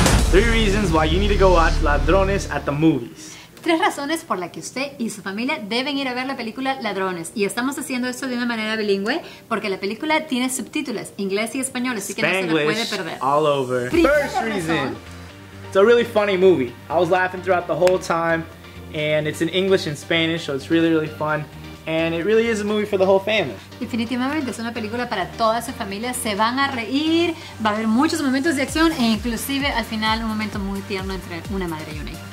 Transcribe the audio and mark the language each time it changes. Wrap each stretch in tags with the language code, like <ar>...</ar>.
<en>Three reasons why you need to go watch Ladrones at the movies.</en> <es>Tres razones por las que usted y su familia deben ir a ver la película Ladrones. Y estamos haciendo esto de una manera bilingüe porque la película tiene subtítulos, inglés y español, así que</es> <en>Spanglish,</en> <es>no se lo puede perder.</es> <en>All over. First reason. It's a really funny movie. I was laughing throughout the whole time. And it's in English and Spanish, so it's really, really fun. And it really is a movie for the whole family.</en> <es>Definitivamente es una película para toda su familia. Se van a reír, va a haber muchos momentos de acción e inclusive al final un momento muy tierno entre una madre y un hijo.</es>